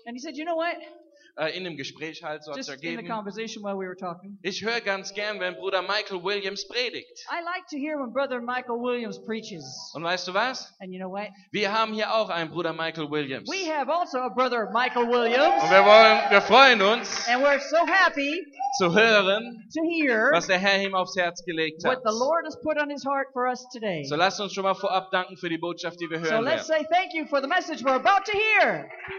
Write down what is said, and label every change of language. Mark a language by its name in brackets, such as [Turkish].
[English] And he said, you know what? [German] In dem Gespräch halt so [English] just [German] ergeben. [English] In the conversation while we were talking. [German] Ich höre ganz gern, wenn Bruder Michael Williams predigt. [English] I like to hear when Brother Michael Williams preaches. [German] Und weißt du was? [English] And you know what? [German] Wir haben hier auch einen Bruder Michael Williams. [English] We have also a Brother Michael Williams. [German] Und wir freuen uns. [English] And we're so happy [German] zu hören, [English] to hear [German] was der Herr ihm aufs Herz gelegt hat. [English] What the Lord has put on his heart for us today. [German] So lasst uns schon mal vorab danken für die Botschaft, die wir hören werden. [English] So let's say thank you for the message we're about to hear.